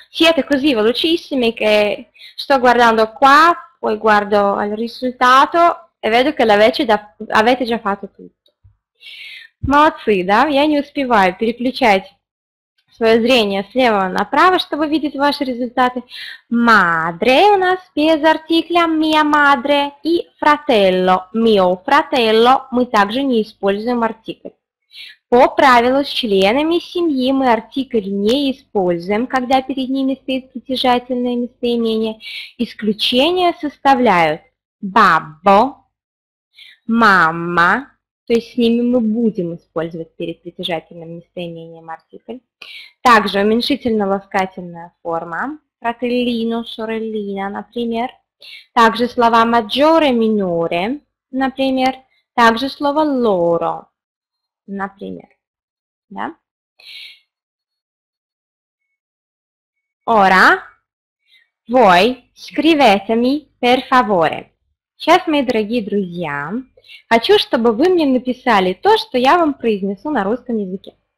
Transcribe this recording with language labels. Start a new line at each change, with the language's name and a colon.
Italian: Siete così velocissimi che sto guardando qua, poi guardo al risultato e vedo che avete già fatto tutto.
Russian: Молодцы, да? Я не успеваю переключать свое зрение слева направо, чтобы видеть ваши результаты. Madre у нас без артикля, mia madre, и fratello, mio fratello, мы также не используем артикль. По правилу, с членами семьи мы артикль не используем, когда перед ними стоит притяжательное местоимение. Исключения составляют «баббо», «мама», то есть с ними мы будем использовать перед притяжательным местоимением артикль. Также уменьшительно-ласкательная форма «фрателлино», «сореллино», например. Также слова «маджоре», «миноре», например. Также слово «лоро». Например, да?
Italian: Ora, voi scrivetemi per favore.
Russian: Сейчас, мои дорогие друзья, хочу, чтобы вы мне написали то, что я вам произнесу на русском языке.